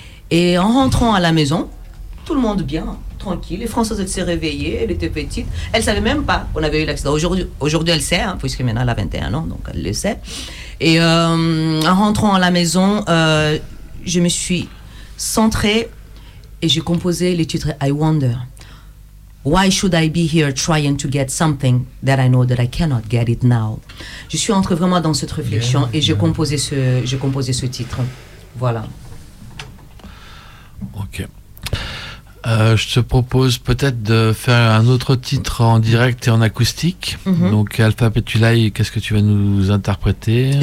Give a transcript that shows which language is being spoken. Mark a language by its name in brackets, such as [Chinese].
[French] Et en rentrant à la maison, tout le monde bien, tranquille. Et Françoise, elle s'est réveillée, elle était petite. Elle ne savait même pas qu'on avait eu l'accident. Aujourd'hui elle sait, hein, puisque maintenant, elle a 21 ans, donc elle le sait. Et en rentrant à la maison, je me suis centrée. Et j'ai composé le titre I Wonder. [English] Why should I be here trying to get something that I know that I cannot get it now? [French] Je suis entrée vraiment dans cette réflexion et j'ai composé ce titre. Voilà. Ok. Je te propose peut-être de faire un autre titre en direct et en acoustique. Mm-hmm. Donc Alpha Petulai, qu'est-ce que tu vas nous interpréter?